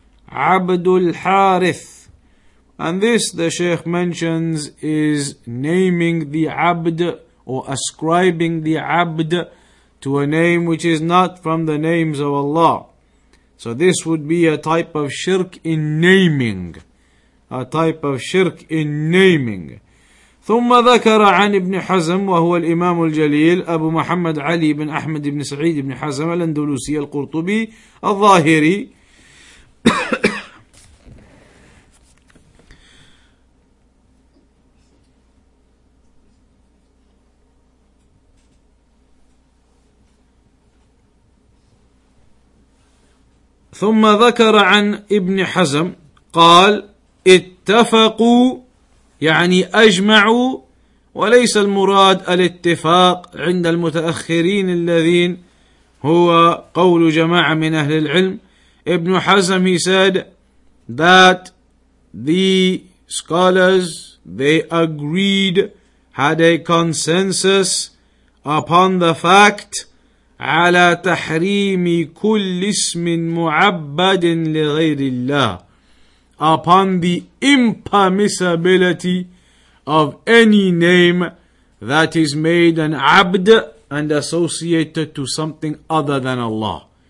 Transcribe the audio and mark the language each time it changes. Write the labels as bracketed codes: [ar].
[en] Abdul Harith. And this, the Shaykh mentions, is naming the Abd, or ascribing the Abd to a name which is not from the names of Allah. So this would be a type of shirk in naming. A type of shirk in naming. [ar] ثم ذكر عن ابن حزم وهو الإمام الجليل أبو محمد علي بن أحمد بن سعيد بن حزم الأندلسي القرطبي الظاهري ثم ذكر عن ابن حزم قال اتفقوا يعني أجمعوا, وليس المراد الاتفاق عند المتأخرين الذين هو قول جماعة من أهل العلم. [en] ابن حزم, he said that the scholars, they agreed, had a consensus upon the fact [ar] على تحريم كل اسم معبد لغير الله, [en] upon the impermissibility of any name that is made an abd and associated to something other than Allah.